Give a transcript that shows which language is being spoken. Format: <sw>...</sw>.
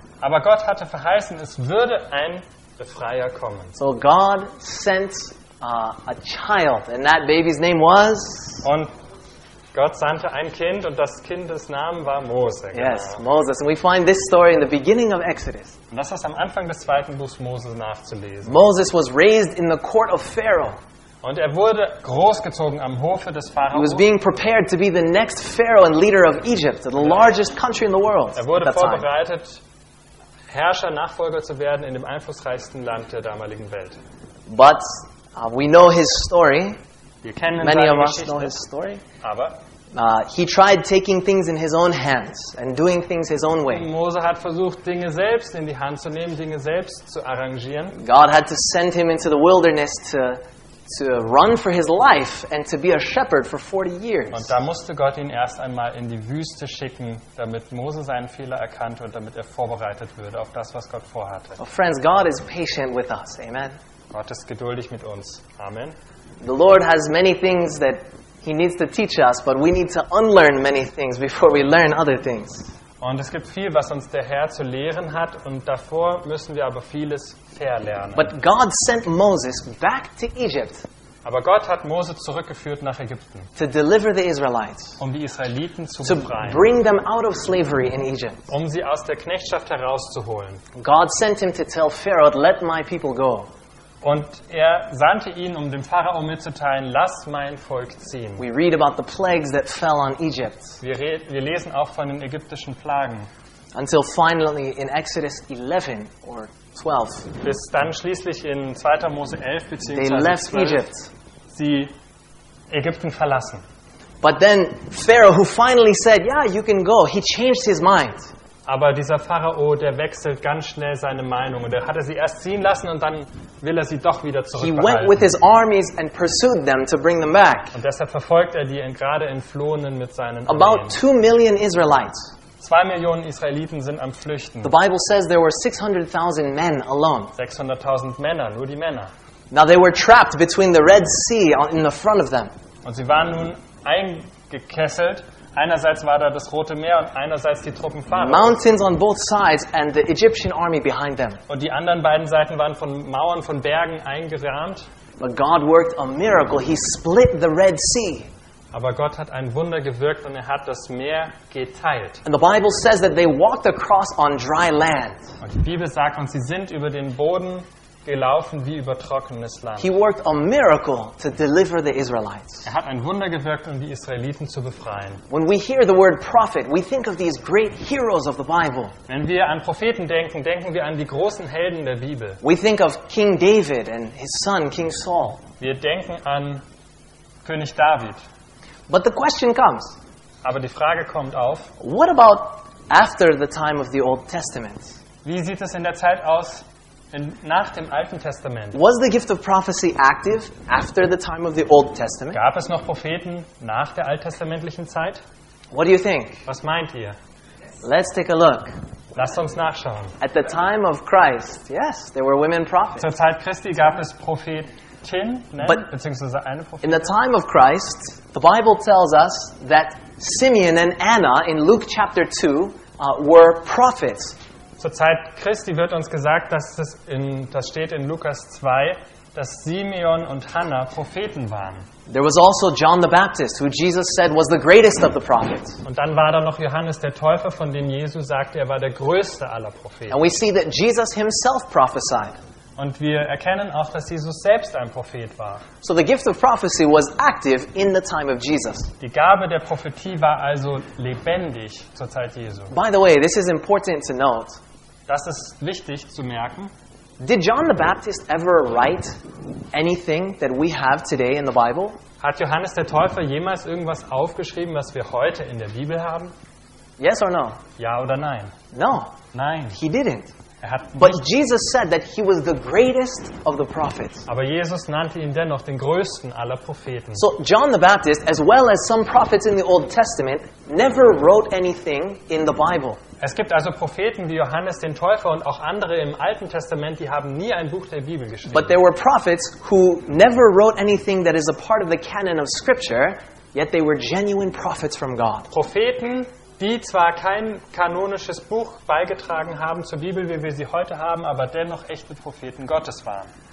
<de>Aber Gott hatte verheißen, es würde ein Befreier kommen.</de> <en>So God sent a child and that baby's name was</en> <de>und Gott sandte ein Kind und das Kindes Name war Mose. Genau.</de> <en>Yes, Moses. And we find this story in the beginning of Exodus.</en> <de>Und das ist am Anfang des zweiten Buchs Moses nachzulesen.</de> <en>Moses was raised in the court of Pharaoh.</en> <de>Und er wurde großgezogen am Hofe des Pharao.</de> <en>He was being prepared to be the next Pharaoh and leader of Egypt, the largest country in the world.</en> <de>Er wurde vorbereitet, Herrscher, Nachfolger zu werden in dem einflussreichsten Land der damaligen Welt.</de> <en>But We know his story.</en> <de>Wir kennen seine Geschichte.</de> <en>Many of us know his story.</en> <de>Aber</de> <en>He tried taking things in his own hands and doing things his own way.</en> <de>Mose hat versucht, Dinge selbst in die Hand zu nehmen, Dinge selbst zu arrangieren.</de> <en>God had to send him into the wilderness to run for his life and to be a shepherd for 40 years.</en> <de>Und da musste Gott ihn erst einmal in die Wüste schicken, damit Mose seinen Fehler erkannte und damit er vorbereitet würde auf das, was Gott vorhatte.</de> <en>Oh, friends, God is patient with us. Amen.</en> <de>Gott ist geduldig mit uns. Amen.</de> <en>The Lord has many things that He needs to teach us, but we need to unlearn many things before we learn other things.</en> <de>Und es gibt viel, was uns der Herr zu lehren hat, und davor müssen wir aber vieles verlernen.</de> <en>But God sent Moses back to Egypt.</en> <de>Aber Gott hat Mose zurückgeführt nach Ägypten.</de> <en>To deliver the Israelites.</en> <de>Um die Israeliten zu befreien.</de> <en>To bring them out of slavery in Egypt.</en> <de>Um sie aus der Knechtschaft herauszuholen.</de> <en>God sent him to tell Pharaoh, "Let my people go."</en> <de>Und er sandte ihn, um dem Pharao mitzuteilen, lass mein Volk ziehen.</de> <en>We read about the plagues that fell on Egypt.</en> <de>Wir lesen auch von den ägyptischen Plagen.</de> <en>Until finally in Exodus 11 or 12.</en> <de>Bis dann schließlich in 2. Mose 11 bzw. 12.</de> <en>They left Egypt.</en> <de>Sie Ägypten verlassen.</de> <en>But then Pharaoh, who finally said, yeah, you can go, he changed his mind.</en> <de>Aber dieser Pharao, der wechselt ganz schnell seine Meinung. Und er hatte sie erst ziehen lassen und dann will er sie doch wieder zurückbehalten.</de> <en>He went with his armies and pursued them to bring them back.</en> <de>Und deshalb verfolgt er die gerade Entflohenen mit seinen Armeen.</de> <en>About 2 million Israelites.</en> <de>2 Millionen Israeliten sind am Flüchten.</de> <en>The Bible says there were 600,000 men alone.</en> <de>600,000 Männer, nur die Männer.</de> <en>Now they were trapped between the Red Sea in the front of them.</en> <de>Und sie waren nun eingekesselt. Einerseits war da das Rote Meer und einerseits die Truppen Pharaos.</de> <en>Mountains on both sides and the Egyptian army behind them.</en> <de>Und die anderen beiden Seiten waren von Mauern, von Bergen eingerahmt.</de> <en>But God worked a miracle. He split the Red Sea.</en> <de>Aber Gott hat ein Wunder gewirkt und er hat das Meer geteilt.</de> <en>And the Bible says that they walked across on dry land.</en> <de>Und die Bibel sagt uns, sie sind über den Boden gelaufen wie über trockenes Land.</de> <en>He worked a miracle to deliver the Israelites.</en> <de>Er hat ein Wunder gewirkt, um die Israeliten zu befreien.</de> <en>When we hear the word prophet, we think of these great heroes of the Bible.</en> <de>Wenn wir an Propheten denken, denken wir an die großen Helden der Bibel.</de> <en>We think of King David and his son King Saul.</en> <de>Wir denken an König David.</de> <en>But the question comes.</en> <de>Aber die Frage kommt auf.</de> <en>What about after the time of the Old Testament?</en> <de>Wie sieht es in der Zeit aus? Nach dem Alten Testament.</de> <en>Was the gift of prophecy active after the time of the Old Testament?</en> <de>Gab es noch Propheten nach der alttestamentlichen Zeit?</de> <en>What do you think?</en> <de>Was meint ihr?</de> <en>Let's take a look.</en> <de>Lasst uns nachschauen.</de> <en>At the time of Christ, yes, there were women prophets.</en> <de>Zur Zeit Christi gab es Prophetinnen, beziehungsweise eine Prophetin.</de> <en>In the time of Christ, the Bible tells us that Simeon and Anna in Luke chapter 2 were prophets.</en> <de>Zur Zeit Christi wird uns gesagt, dass es das steht in Lukas 2, dass Simeon und Hanna Propheten waren.</de> <en>There was also John the Baptist, who Jesus said was the greatest of the prophets.</en> <de>Und dann war da noch Johannes der Täufer, von dem Jesus sagte, er war der größte aller Propheten.</de> <en>And we see that Jesus himself prophesied.</en> <de>Und wir erkennen auch, dass Jesus selbst ein Prophet war.</de> <en>So the gift of prophecy was active in the time of Jesus.</en> <de>Die Gabe der Prophetie war also lebendig zur Zeit Jesu.</de> <en>By the way, this is important to note.</en> <de>Das ist wichtig zu merken.</de> <en>Did John the Baptist ever write anything that we have today in the Bible?</en> <de>Hat Johannes der Täufer jemals irgendwas aufgeschrieben, was wir heute in der Bibel haben?</de> <en>Yes or no?</en> <de>Ja oder nein?</de> <en>No.</en> <de>Nein.</de> <en>He didn't. But Jesus said that he was the greatest of the prophets.</en> <de>Aber Jesus nannte ihn dennoch den größten aller Propheten.</de> <en>So John the Baptist, as well as some prophets in the Old Testament, never wrote anything in the Bible.</en> <de>Es gibt also Propheten wie Johannes den Täufer und auch andere im Alten Testament, die haben nie ein Buch der Bibel geschrieben.</de> <en>But there were prophets who never wrote anything that is a part of the canon of Scripture, yet they were genuine prophets from God.</en> <de>Propheten, die zwar kein kanonisches Buch beigetragen haben zur Bibel, wie wir sie heute haben, aber dennoch echte Propheten Gottes waren.</de>